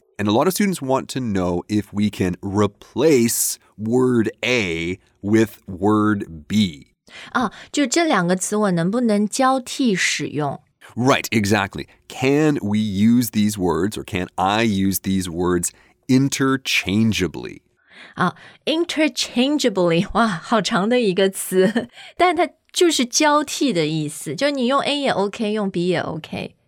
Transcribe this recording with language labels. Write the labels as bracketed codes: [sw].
[en] And a lot of students want to know if we can replace word A with word B. [zh] 就这两个词我能不能交替使用 [en] Right, exactly. Can we use these words or can I use these words interchangeably? [zh] Interchangeably, 哇，好长的一个词。但它就是交替的意思，就你用 A 也 OK, 用 B 也 OK。